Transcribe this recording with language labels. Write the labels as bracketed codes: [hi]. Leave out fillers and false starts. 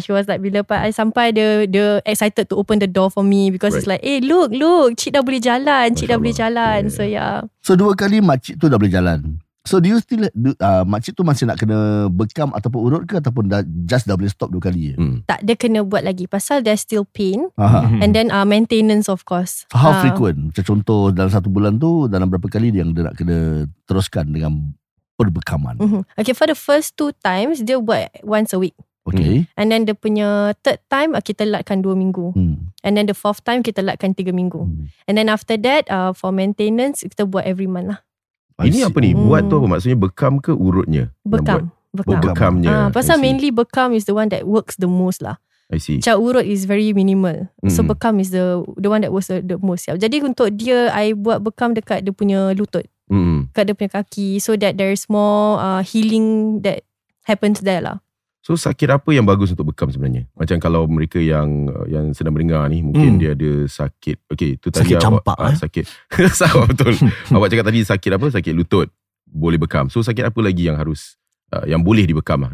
[en] She was like, [ms] bila I sampai, [en] dia excited to open the door for me, because it's like, hey, look, [ms] cik dah boleh jalan. So 2 kali makcik tu dah boleh jalan. [en] So do you still [ms] makcik tu masih nak kena bekam ataupun urut ke, ataupun dah boleh stop 2 kali je? Tak, dia kena buat lagi pasal [en] there's still pain. And then maintenance of course. How frequent? [ms] Macam contoh dalam 1 bulan tu, dalam berapa kali yang dia nak kena teruskan dengan perbekaman? [en] Okay, for the first 2 times [ms] dia buat [en] once a week. Okay. [ms] And then dia punya [en] third time [ms] kita latkan 2 minggu. And then the fourth time kita latkan 3 minggu. [en] And then after that, for maintenance [ms] kita buat [en] every month lah. [ms] Ini apa ni? Buat tu apa maksudnya? Bekam ke urutnya? Bekam. Bekamnya. Pasal [en] mainly bekam is the one that works the most lah. I see. [ms] Macam urut [en] is very minimal. So bekam is the one that works the most. [ms] Ya. Jadi untuk dia, I buat bekam dekat dia punya lutut. Dekat dia punya kaki. [en] So that there is more healing that happens there lah. [ms] So sakit apa yang bagus untuk bekam sebenarnya? Macam kalau mereka yang sedang mendengar ni, mungkin dia ada sakit. Okay, itu tadi sakit awak, campak. Sakit. Sama betul. Awak cakap tadi sakit apa? Sakit lutut. Boleh bekam. So sakit apa lagi yang harus, yang boleh dibekam lah?